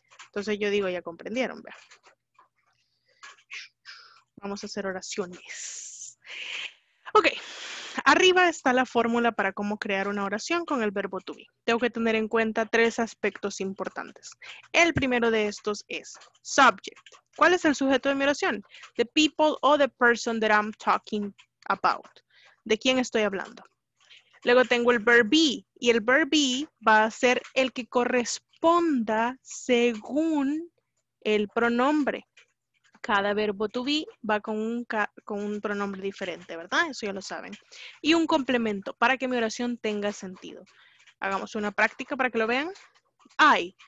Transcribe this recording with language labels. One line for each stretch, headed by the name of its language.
Spanish: Entonces yo digo, ya comprendieron, vea. Vamos a hacer oraciones. Ok, arriba está la fórmula para cómo crear una oración con el verbo to be. Tengo que tener en cuenta tres aspectos importantes. El primero de estos es subject. ¿Cuál es el sujeto de mi oración?
English: The people or the person that I'm talking about.
Spanish: ¿De quién estoy hablando? Luego tengo el verb be. Y el verb be va a ser el que corresponda según el pronombre. Cada verbo to be va con un pronombre diferente, ¿verdad? Eso ya lo saben. Y un complemento para que mi oración tenga sentido. Hagamos una práctica para que lo vean. I.